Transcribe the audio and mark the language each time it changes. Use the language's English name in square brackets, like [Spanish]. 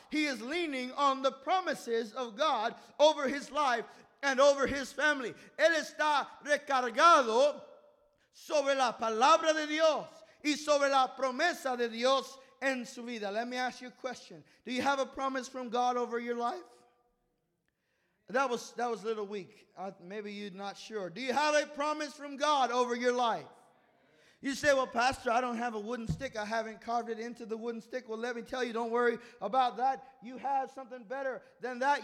[English] He is leaning on the promises of God over his life and over his family. [Spanish] Él está recargado sobre la palabra de Dios y sobre la promesa de Dios en su vida. [English] Let me ask you a question. Do you have a promise from God over your life? That was a little weak. Maybe you're not sure. Do you have a promise from God over your life? You say, well, Pastor, I don't have a wooden stick. I haven't carved it into the wooden stick. Well, let me tell you, don't worry about that. You have something better than that.